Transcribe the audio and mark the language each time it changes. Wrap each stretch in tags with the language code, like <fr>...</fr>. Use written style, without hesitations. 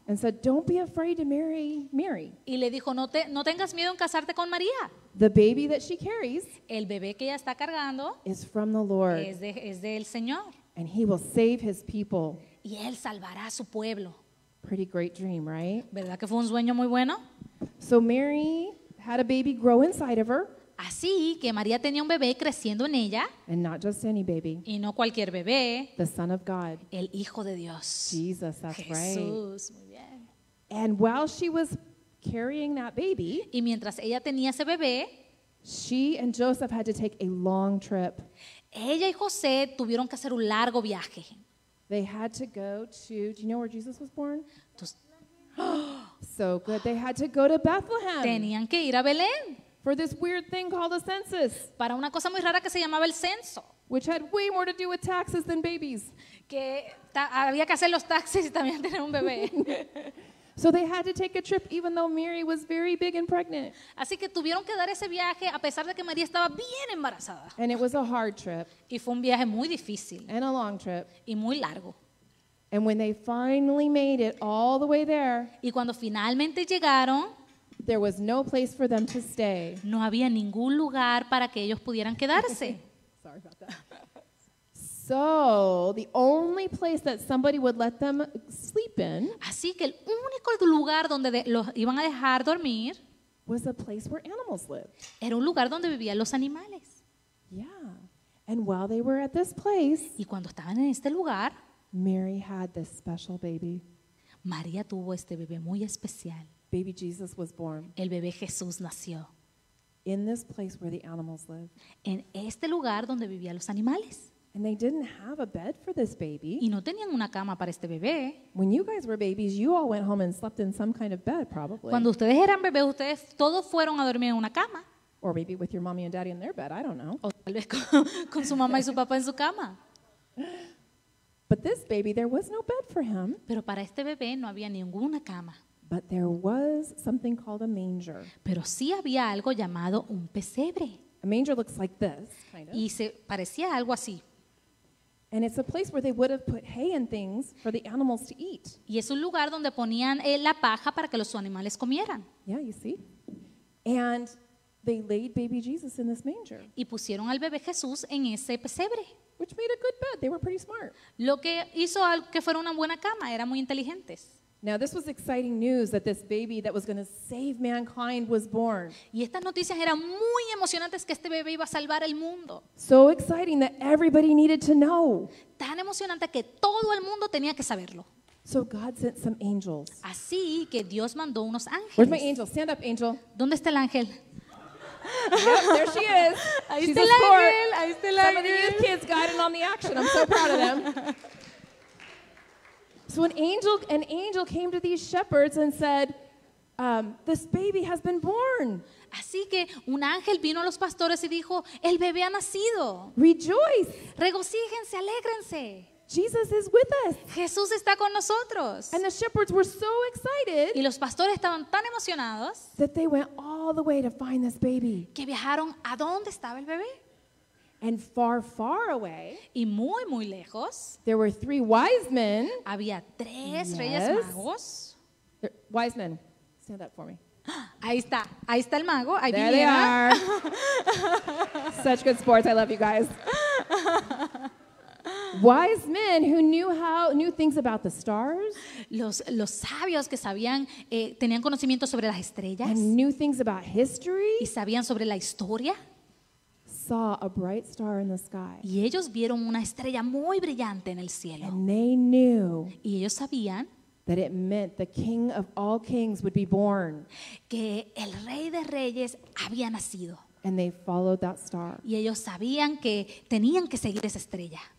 <en>And said, "Don't be afraid to marry Mary."</en> <es>Y le dijo, no tengas miedo en casarte con María.</es> <en>The baby that she carries,</en> <es>el bebé que ella está cargando,</es> <en>is from the Lord.</en> <es>Es del Señor.</es> <en>And he will save his people.</en> <es>y él salvará a su pueblo.</es> <en>Pretty great dream, right?</en> <es>¿Verdad que fue un sueño muy bueno?</es> <en>So Mary had a baby grow inside of her.</en> <es>Así que María tenía un bebé creciendo en ella.</es> <en>And not just any baby.</en> <es>Y no cualquier bebé.</es> <en>The Son of God.</en> <es>El Hijo de Dios.</es> <en>Jesus, that's</en> <es>Jesús.</es> <en>Right.</en> <es>Jesús, muy bien.</es> <en>And while she was carrying that baby,</en> <es>y mientras ella tenía ese bebé,</es> <en>she and Joseph had to take a long trip.</en> <es>Ella y José tuvieron que hacer un largo viaje.</es> <en>They had to go to, do you know where Jesus was born? So good. They had to go to Bethlehem.</en> <es>Tenían que ir a Belén.</es> <en>For this weird thing called a census.</en> <es>Para una cosa muy rara que se llamaba el censo.</es> <en>Which had way more to do with taxes than babies.</en> <es>Que había que hacer los taxes y también tener un bebé.</es> <en>So they had to take a trip even though Mary was very big and pregnant.</en> <es>Así que tuvieron que dar ese viaje a pesar de que María estaba bien embarazada.</es> <en>And it was a hard trip.</en> <es>Y fue un viaje muy difícil.</es> <en>And a long trip.</en> <es>Y muy largo.</es> <en>And when they finally made it all the way there,</en> <es>y cuando finalmente llegaron,</es> <en>there was no place for them to stay.</en> <es>No había ningún lugar para que ellos pudieran quedarse.</es> <en>Sorry about that. So, the only place that somebody would let them sleep in,</en> <es>así que el único lugar donde los iban a dejar dormir,</es> <en>was a place where animals lived.</en> <es>Era un lugar donde vivían los animales.</es> <en>Yeah. And while they were at this place,</en> <es>y cuando estaban en este lugar,</es> <en>Mary had this special baby.</en> <es>María tuvo este bebé muy especial.</es> <en>Baby Jesus was born.</en> <es>El bebé Jesús nació.</es> <en>In this place where the animals lived.</en> <es>En este lugar donde vivían los animales.</es> <en>And they didn't have a bed for this baby.</en> <es>Y no tenían una cama para este bebé.</es> <en>When you guys were babies, you all went home and slept in some kind of bed, probably.</en> <es>Cuando ustedes eran bebés, ustedes todos fueron a dormir en una cama.</es> <en>Or maybe with your mommy and daddy in their bed, I don't know.</en> <es>O tal vez con su mamá y su papá en su cama.</es> <en>But this baby, there was no bed for him.</en> <es>Pero para este bebé no había ninguna cama.</es> <en>But there was something called a manger.</en> <es>Pero sí había algo llamado un pesebre.</es> <en>A manger looks like this, kind of.</en> <es>Y se parecía algo así.</es> <en>And it's a place where they would have put hay and things for the animals to eat.</en> <es>Y es un lugar donde ponían la paja para que los animales comieran.</es> <en>Yeah, you see. And they laid baby Jesus in this manger.</en> <es>Y pusieron al bebé Jesús en ese pesebre.</es> <en>Which made a good bed. They were pretty smart.</en> <es>Lo que hizo que fuera una buena cama, eran muy inteligentes.</es> <en>Now this was exciting news that this baby that was going to save mankind was born.</en> <es>Y estas noticias eran muy emocionantes que este bebé iba a salvar el mundo.</es> <en>So exciting that everybody needed to know.</en> <es>Tan emocionante que todo el mundo tenía que saberlo.</es> <en>So God sent some angels.</en> <es>Así que Dios mandó unos ángeles.</es> <en>Where's my angel? Stand up, angel.</en> <es>¿Dónde está el ángel?</es> <en>Yep, there she is.</en> <es>Ahí</es> <en>she's</en> <es>está el ángel. Ahí está el ángel.</es> <en>Some of the kids got in on the action. I'm so proud of them. So an angel came to these shepherds and said, this baby has been born.</en> <es>Así que un ángel vino a los pastores y dijo, el bebé ha nacido.</es> <en>Rejoice.</en> <es>Regocíjense, alégrense.</es> <en>Jesus is with us.</en> <es>Jesús está con nosotros.</es> <en>And the shepherds were so excited.</en> <es>Y los pastores estaban tan emocionados.</es> <en>That they went all the way to find this baby.</en> <es>Que viajaron a donde estaba el bebé.</es> <en>And far, far away,</en> <es>y muy, muy lejos,</es> <en>there were three wise men.</en> <es>Había tres,</es> <en>yes,</en> <es>reyes magos.</es> <en>They're wise men, stand up for me.</en> <es>Ahí está el mago. Ahí</es> <en>there they are. Such good sports. I love you guys. Wise men who knew things about the stars.</en> <es>Los sabios que sabían tenían conocimiento sobre las estrellas.</es> <en>And knew things about history.</en> <es>Y sabían sobre la historia.</es> <en>Saw a bright star in the sky.</en> <es>Y ellos vieron una estrella muy brillante en el cielo.</es> <en>And they knew.</en> <es>Y ellos sabían.</es> <en>That it meant the King of all kings would be born.</en> <es>Que el Rey de Reyes había nacido.</es> <en>And they followed that star.</en> <es>Y ellos sabían que tenían que seguir esa estrella.</es>